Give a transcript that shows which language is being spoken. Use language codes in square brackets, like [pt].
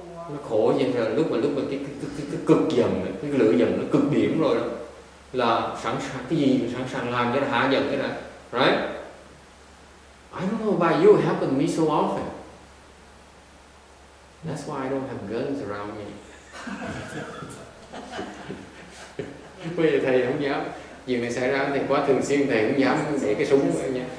[vi] Nó khổ như thế là lúc mà cái cực dần, cái lửa dần nó cực điểm rồi đó. Là sẵn sàng, cái gì sẵn sàng làm cho nó hạ dần cái này. [en] Right? I don't know why you happen to me so often. That's why I don't have guns around me. [vi] Bây giờ thầy không dám. Chuyện này xảy ra thì quá thường xuyên, thầy không dám để cái súng ở nhà.